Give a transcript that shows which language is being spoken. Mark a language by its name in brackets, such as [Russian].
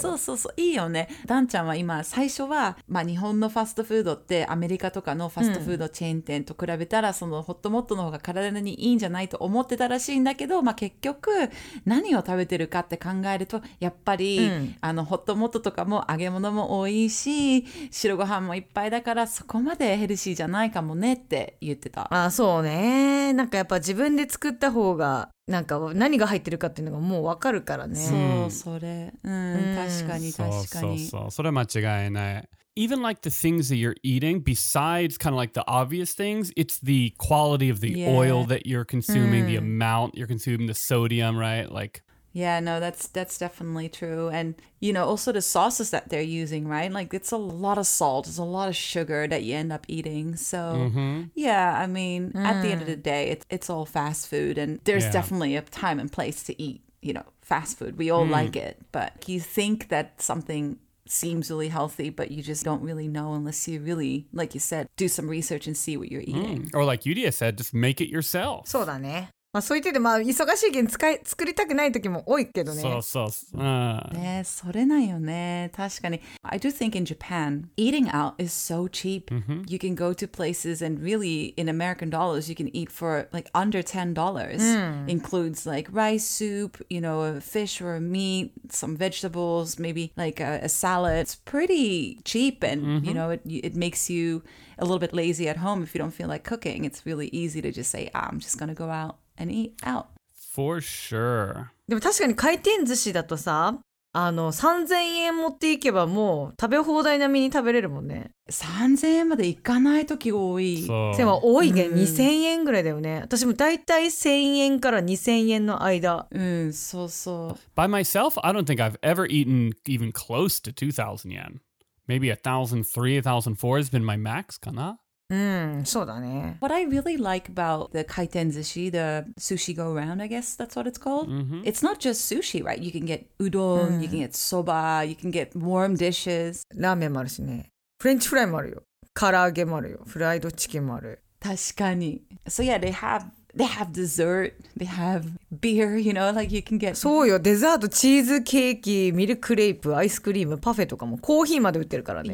[Japanese] そうそうそう、いいよね。ダンちゃんは今最初は、まあ、日本のファストフードってアメリカとかのファストフードチェーン店と比べたら、そのホットモットの方が体にいいんじゃないと思ってたらしいんだけど、まあ、結局何を食べてるかって考えるとやっぱり、あのホットモットとかも揚げ物も多いし白ご飯もいっぱいだからそこまでヘルシーじゃないかもねって言ってた。あ、そうね。なんかやっぱ自分で作った方がなんか何が入ってるかっていうのがもう分かるからね。そう、それ。確かに、確かに。そうそう、それは間違いない。 [English] Even like the things that you're eating, besides kind of like the obvious things, it's the quality of the oil that you're consuming, the amount you're consuming, the sodium, right? Like... Yeah, no, that's definitely true. And, you know, also the sauces that they're using, right? Like, it's a lot of salt. It's a lot of sugar that you end up eating. So, yeah, I mean, at the end of the day, it's all fast food. And there's definitely a time and place to eat, you know, fast food. We all like it. But you think that something seems really healthy, but you just don't really know unless you really, like you said, do some research and see what you're eating. Or like Yudia said, just make it yourself. [Japanese] そうだね。まあ、そう言ってて、まあ、忙しいけん作りたくない時も多いけどね。そうそう。ね、それなよね。確かに。 [English] I do think in Japan, eating out is so cheap. You can go to places and really, in American dollars, you can eat for like under $10. Includes like rice soup, you know, a fish or a meat, some vegetables, maybe like a salad. It's pretty cheap and, you know, it makes you a little bit lazy at home if you don't feel like cooking. It's really easy to just say, ah, I'm just going to go out. And eat out. For sure. [Japanese] でも確かに回転寿司だとさ、あの3000円持っていけばもう食べ放題並みに食べれるもんね。 3000円まで行かない時多い。そう。でも多いね。2000円ぐらいだよね。私もだいたい1000円から2000円の間。そうそう。 [English] By myself, I don't think I've ever eaten even close to 2000 yen. Maybe 1003, 1004 has been my max [Japanese] かな。そうだね。 [English] What I really like about the kaiten sushi, the sushi go round, I guess that's what it's called.、 Mm-hmm. It's not just sushi, right? You can get udon,、mm. you can get soba, you can get warm dishes. [Japanese] ラーメンもあるしね。フレンチフライもあるよ。唐揚げもあるよ。フライドチキンもある。確かに。 [English] So yeah, they have dessert, they have beer, you know, like you can get... [Japanese] そうよ、デザート、チーズケーキ、ミルクレープ、アイスクリーム、パフェとかも、コーヒーまで売ってるからね。